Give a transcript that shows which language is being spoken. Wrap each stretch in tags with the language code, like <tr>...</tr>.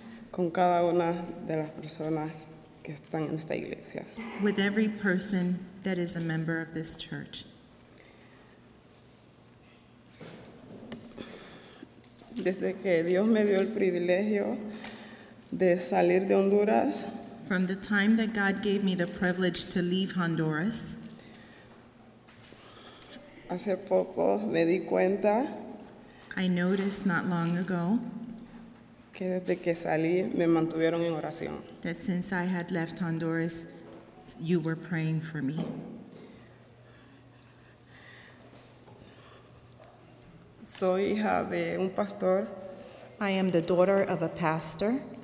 <es>con cada una de las personas que están en esta iglesia.</es> <en>With every person that is a member of this church.</en> <es>Desde que Dios me dio el privilegio de salir de Honduras.</es> <en>From the time that God gave me the privilege to leave Honduras.</en> <es>Hace poco me di cuenta.</es> <en>I noticed not long ago</en> <es>que desde que salí, me mantuvieron en oración.</es> <en>That since I had left Honduras, you were praying for me.</en> <es>Soy hija de un pastor.</es> <en>I am the daughter of a pastor.</en>